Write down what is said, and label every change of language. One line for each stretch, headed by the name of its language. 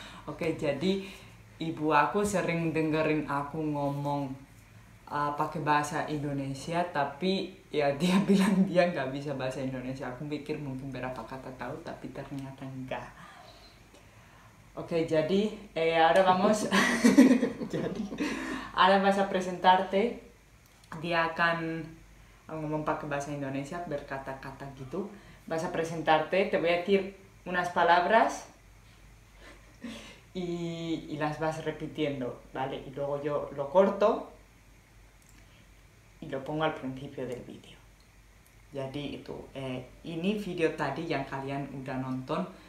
Indonesian: Oke, jadi ibu aku sering dengerin aku ngomong pakai bahasa Indonesia, tapi ya dia bilang dia nggak bisa bahasa Indonesia. Aku mikir mungkin berapa kata tahu, tapi ternyata enggak.
Spanish: Ok, jadi, ahora vamos.
Indonesian: Jadi,
Spanish: ahora vas a presentarte.
Indonesian: Dia akan ngomong pakai bahasa Indonesia, berkata-kata gitu.
Spanish: Vas a presentarte, te voy a decir unas palabras y las vas repitiendo, ¿vale? Y luego yo lo corto y lo pongo al principio del vídeo.
Indonesian: Jadi, itu. Ini video tadi yang kalian udah nonton.